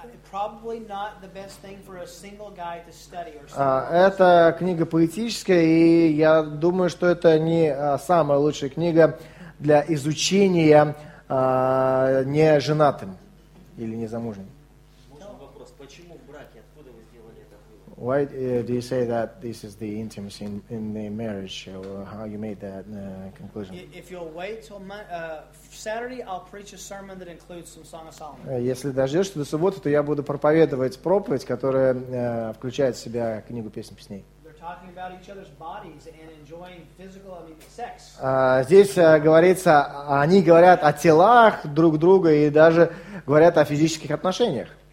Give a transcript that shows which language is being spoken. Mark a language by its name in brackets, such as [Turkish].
[English] Probably not the best thing for a single guy to study or something. [Russian] Это книга поэтическая, и я думаю, что это не самая лучшая книга для изучения неженатым или незамужним. Можно вопрос, почему в браке, откуда вы сделали это? [English] Why do you say that this is the intimacy in the marriage, or how you made that conclusion? If you'll wait till Saturday, I'll preach a sermon that includes some Song of Solomon. [Russian] Если дождешься до субботы, то я буду проповедовать проповедь, которая включает в себя книгу Песнь Песней. [English] They're talking about each other's bodies and enjoying physical, sex. [Russian] Здесь говорится, они говорят о телах друг друга и даже говорят о физических отношениях.